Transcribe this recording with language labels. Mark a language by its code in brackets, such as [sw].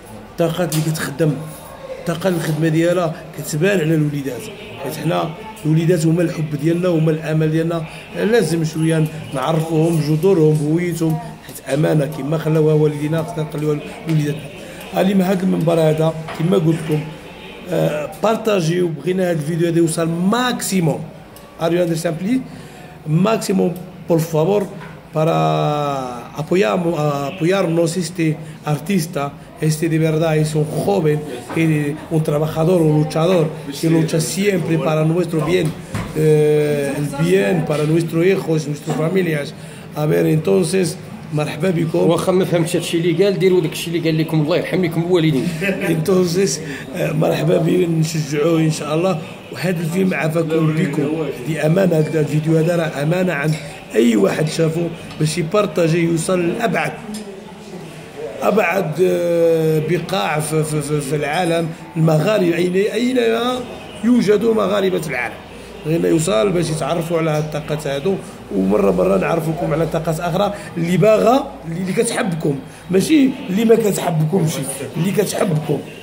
[ar] الطاقات اللي كتخدم، الطاقه الخدمه ديالها كتبان على الوليدات، حيت حنا الوليدات هما الحب ديالنا وهما الامل ديالنا، لازم شويه نعرفوهم جذورهم هويتهم، حيت امانه كما خلاوها والدينا خصنا نخليوها لوليداتنا. اللي مع هذا المنبر هذا كما قلت لكم بارطاجيو، بغينا هذا الفيديو هذا يوصل ماكسيموم، [en] are you understand please, [ar] ماكسيموم [es] بور فافور بارا ابويارنو سيستي ارتيستا. Este de verdad es un joven, un trabajador, un luchador que lucha siempre para nuestro bien, el bien para nuestros hijos, nuestras familias. A ver, entonces, [ar] مرحبا بكم. واخا ما فهمتش هادشي اللي قال، ديروا داكشي اللي قال لكم الله يرحمكم الوالدين. [es] Entonces, [ar] مرحبا بكم، نشجعوه ان شاء الله. وهذا الفيلم عفاكم بكم، دي امانه، هذا الفيديو هذا راه امانه عن اي واحد شافه باش يبارطاجي يوصل لابعد ابعد بقاع في العالم المغاربه, يعني اين يوجد مغاربه العالم, غير يوصل باش يتعرفوا على الطاقات هادو, ومره مره نعرفوكم على طاقات اخرى اللي باغا اللي كتحبكم, ماشي اللي ما كتحبكمش, اللي كتحبكم